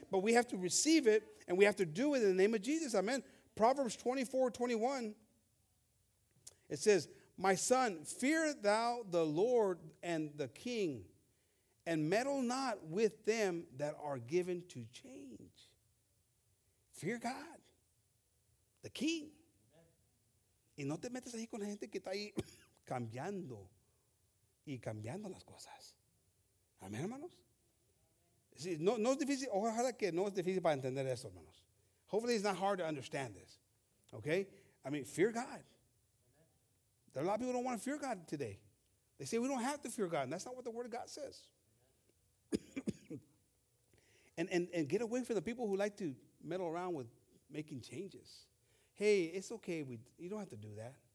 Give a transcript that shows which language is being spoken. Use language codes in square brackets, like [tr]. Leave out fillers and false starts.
[en] But we have to receive it, and we have to do it in the name of Jesus. Amen. Proverbs 24:21. It says, my son, fear thou the Lord and the King, and meddle not with them that are given to change. Fear God, the King. [es] Y no te metas ahí con la gente que está ahí cambiando y cambiando las cosas. Amén, hermanos. Sí, no es difícil. Ojalá que no es difícil para entender esto, hermanos. [en] Hopefully it's not hard to understand this. Okay? I mean, fear God. There are a lot of people who don't want to fear God today. They say we don't have to fear God. And that's not what the Word of God says. and get away from the people who like to meddle around with making changes. Hey, it's okay. You don't have to do that.